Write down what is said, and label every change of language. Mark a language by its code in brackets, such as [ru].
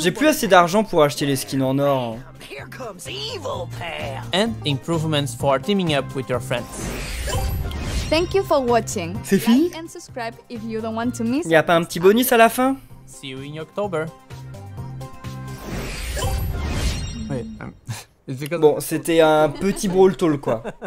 [fr] J'ai plus assez d'argent pour acheter les skins en or. [en] Here comes Evil Pam. And improvements for teaming up with your friends. Thank you for watching. [fr] C'est fini? [en] Like and subscribe if you don't want to miss. [fr] Y a pas un petit bonus à la fin? [en] See you in October. Wait, [fr] bon, c'était un petit brawl tall, quoi.